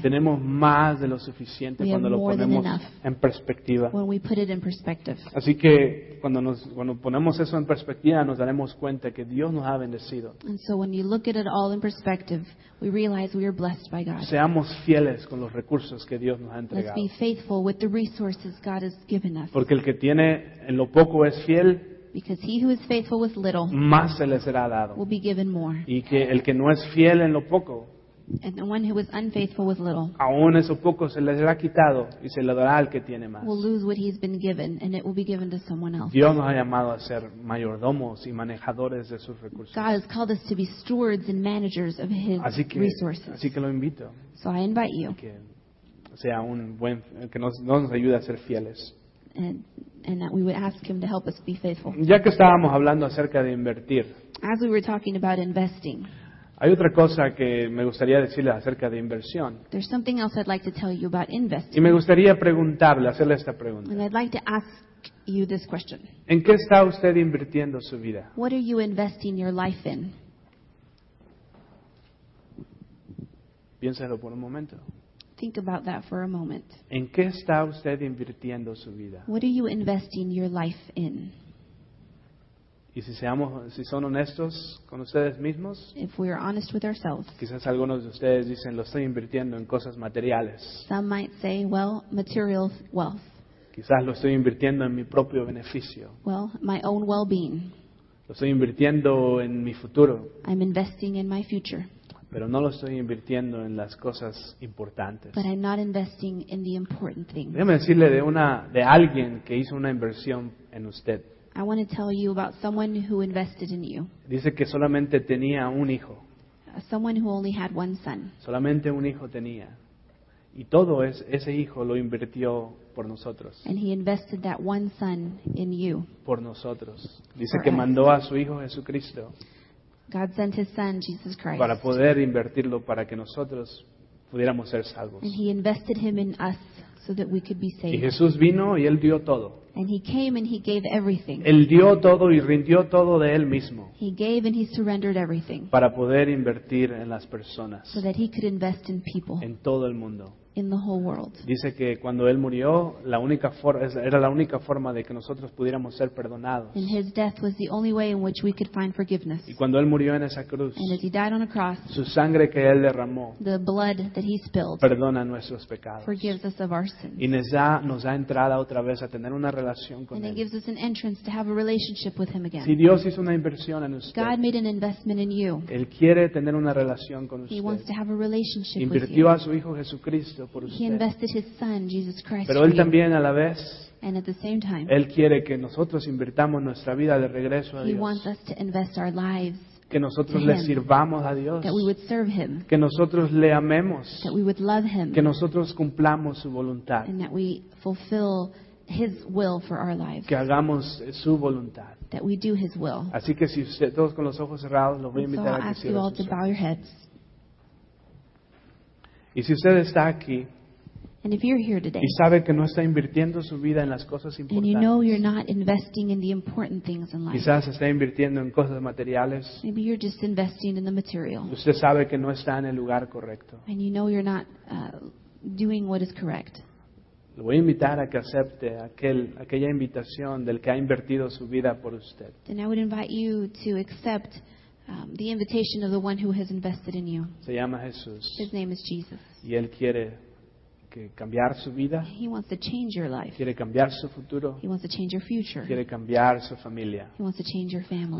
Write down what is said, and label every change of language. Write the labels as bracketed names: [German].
[Spanish] Tenemos más de lo suficiente [English] we [Spanish] cuando lo ponemos en perspectiva. [English] When we put it in perspective. [Spanish] Así que cuando ponemos eso en perspectiva, nos daremos cuenta que Dios nos ha bendecido. [English] And so when you look at it all in perspective, we realize we are blessed by God. [Spanish] Seamos fieles con los recursos que Dios nos ha entregado. [English] Let's be faithful with the resources God has given us. [Spanish] Porque el que tiene en lo poco es fiel. [English] Because he who is faithful with little [Spanish] más se le será dado. [English] Will be given more. [Spanish] Y que el que no es fiel en lo poco, [English] and the one who is unfaithful with little, [Spanish] aún eso poco se le será quitado y se le dará al que tiene más. [English] Will lose what he's been given, and it will be given to someone else. [Spanish] Dios nos ha llamado a ser mayordomos y manejadores de sus recursos. [English] God has called us to be stewards and managers of his resources. [Spanish] Así que lo invito. [English] So I invite you. [Spanish] Que sea un buen que nos ayude a ser fieles. [English] And that we would ask him to help us be faithful. [Spanish] Ya que estábamos hablando acerca de invertir, [English] as we were talking about investing, [Spanish] hay otra cosa que me gustaría decirles acerca de inversión. [English] There's something else I'd like to tell you about investing. [Spanish] Y me gustaría preguntarle, hacerle esta pregunta. [English] And I'd like to ask you this question. [Spanish] ¿En qué está usted invirtiendo su vida? [English] What are you investing your life in? [Spanish] Piénselo por un momento. [English] Think about that for a moment. [Spanish] ¿En qué está usted invirtiendo su vida? [English] What are you investing your life in? [Spanish] Y si son honestos con ustedes mismos, [English] if we are honest with ourselves, [Spanish] quizás algunos de ustedes dicen, lo estoy invirtiendo en cosas materiales. [English] Some might say, well, material wealth. [Spanish] Quizás lo estoy invirtiendo en mi propio beneficio. [English] Well, my own well-being. [Spanish] Lo estoy invirtiendo en mi futuro. [English] I'm investing in my future. [Spanish] Pero no lo estoy invirtiendo en las cosas importantes. [English] But I'm not investing in the important things. [Spanish] Déjame decirle de alguien que hizo una inversión en usted. [English] I want to tell you about someone who invested in you. [Spanish] Dice que solamente tenía un hijo. [English] Someone who only had one son. [Spanish] Solamente un hijo tenía. Y todo ese hijo lo invirtió por nosotros. [English] And he invested that one son in you. [Spanish] Por nosotros. Dice que mandó a su hijo Jesucristo. [English] God sent his son Jesus Christ. [Spanish] Para poder invertirlo para que nosotros pudiéramos ser salvos. [English] And he invested him in us so that we could be saved. [Spanish] Y Jesús vino y él dio todo. [English] And he came and he gave everything. [Spanish] Él dio todo y rindió todo de él mismo. [English] He gave and he surrendered everything. [Spanish] Para poder invertir en las personas. [English] So that he could invest in people. [Spanish] En todo el mundo. [English] In the whole world. [Spanish] Dice que cuando él murió, era la única forma de que nosotros pudiéramos ser perdonados. [English] And his death was the only way in which we could find forgiveness. [Spanish] Y cuando él murió en esa cruz, [English] and as he died on a cross, [Spanish] su sangre que él derramó, [English] the blood that he spilled, [Spanish] perdona nuestros pecados, [English] forgives us of our sins. [Spanish] Y nos da entrada otra vez a tener una relación con [English] and [Spanish] él. [English] And gives us an entrance to have a relationship with him again. [Spanish] Si Dios hizo una inversión en usted, [English] God made an investment in you. [Spanish] Él quiere tener una relación con usted. [English] He wants to have a relationship [Spanish] invirtió [English] with you. [Spanish] Invirtió a su hijo Jesucristo. [English] He invested his son, Jesus Christ. [Spanish] Pero él también a la vez, [English] and at the same time, [Spanish] él quiere que nosotros invirtamos nuestra vida de regreso a [English] he [Spanish] Dios. [English] He wants us to invest our lives. [Spanish] Que nosotros le sirvamos a Dios. [English] That we would serve him. [Spanish] Que nosotros le amemos. [English] That we would love him. [Spanish] Que nosotros cumplamos su voluntad. [English] And that we fulfill his will for our lives. [Spanish] Que hagamos su voluntad. [English] That we do his will. [Spanish] Así que si usted, todos con los ojos cerrados, los voy a invitar [English] so [Spanish] a que cierren sus ojos. [English] Bow your heads. [Spanish] Y si usted está aquí [English] and if you're here today, [Spanish] y sabe que no está invirtiendo su vida en las cosas importantes, [English] and you know you're not investing in the important things in life, [Spanish] quizás está invirtiendo en cosas materiales, [English] maybe you're just investing in the material, [Spanish] usted sabe que no está en el lugar correcto, [English] and you know you're not doing what is correct. [Spanish] Lo voy a invitar a que acepte aquella invitación del que ha invertido su vida por usted. [English] Then I would invite you to accept the invitation of the one who has invested in you. [Spanish] Se llama Jesús. [English] His name is Jesus. [Spanish] Y él quiere que cambiar su vida. [English] He wants to change your life. [Spanish] Quiere cambiar su futuro. [English] He wants to change your future. [Spanish] Quiere cambiar su familia. [English] He wants to change your family.